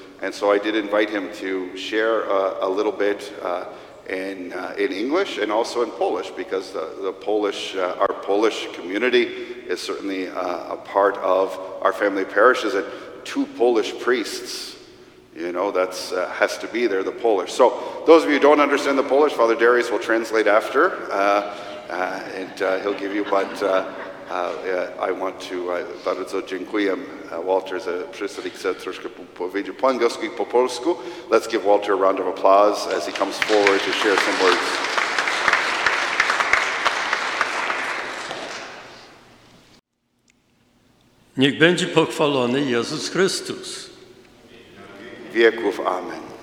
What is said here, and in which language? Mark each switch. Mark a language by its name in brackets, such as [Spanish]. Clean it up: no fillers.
[English] And so I did invite him to share a little bit in English and also in Polish, because our Polish community is certainly a part of our family of parishes, and two Polish priests, that's has to be there, the Polish. So those of you who don't understand the Polish, Father Darius will translate after. And he'll give you, but I want to, [Polish] bardzo dziękuję, Walter, za przyszedł, troszkę powiedział po angielsku I po polsku. [English] Let's give Walter a round of applause as he comes forward to share some words. [Polish] Niech będzie pochwalony Jezus Chrystus. Wieków, amen.